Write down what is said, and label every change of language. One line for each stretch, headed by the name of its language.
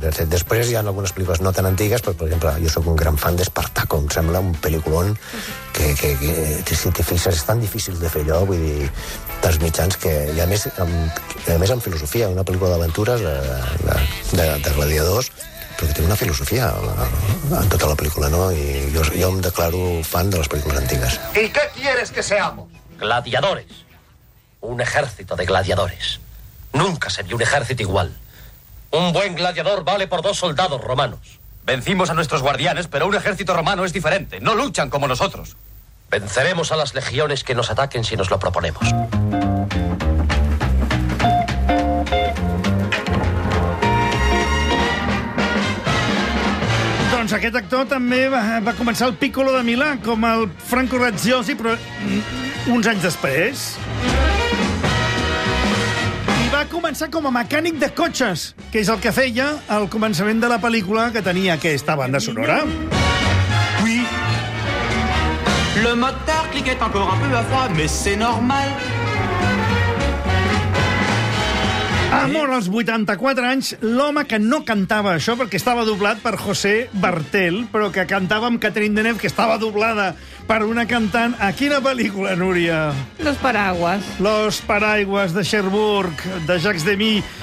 Catalan: Després hi ha algunes pel·lícules no tan antigues, però, per exemple, jo sóc un gran fan d'Espartaco, em sembla un pel·lículon que si t'hi fixes, és tan difícil de fer allò, vull dir, dels mitjans que... I a més, amb filosofia, una pel·lícula d'aventures de gladiadors, però que té una filosofia en tota la pel·lícula, no? I jo em declaro fan de les pel·lícules antigues.
Spanish: ¿Y qué quieres que seamos? Gladiadores. Un ejército de gladiadores. Nunca se vio un ejército igual. Un buen gladiador vale por dos soldados romanos. Vencimos a nuestros guardianes, pero un ejército romano es diferente. No luchan como nosotros. Venceremos a las legiones que nos ataquen si nos lo proponemos.
Catalan: Doncs aquest actor també va començar el Piccolo de Milà com el Franco Razziosi, però uns anys després... Va començar com a mecànic de cotxes, que és el que feia al començament de la pel·lícula que tenia aquesta banda sonora.
French: Oui. Le moteur cliquette encore un peu à froid, mais c'est normal.
Catalan: Ha mort als 84 anys l'home que no cantava això perquè estava doblat per José Bartel, però que cantava amb Catherine Deneuve, que estava doblada per una cantant. A quina pel·lícula, Núria?
Spanish: Los Paraguas. Los Paraguas, de Cherbourg, de Jacques Demy.